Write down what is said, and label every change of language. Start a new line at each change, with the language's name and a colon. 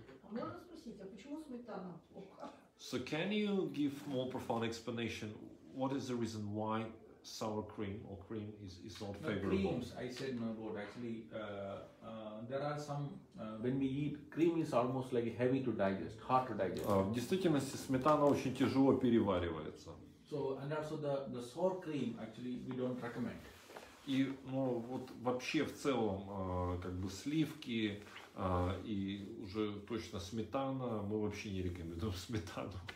Russian: Можно спросить, а почему сметана?
English: So can you give more profound explanation? What is the reason why sour cream or cream is not favorable? No, creams, I said no word. Actually, there are some, when we eat, cream is almost like heavy to digest, hard to digest.
Russian: В действительности сметана очень тяжело переваривается.
English: So, and also the sour cream, actually, we don't recommend.
Russian: И, ну, вот вообще в целом, как бы сливки и уже точно сметана, мы вообще не рекомендуем сметану.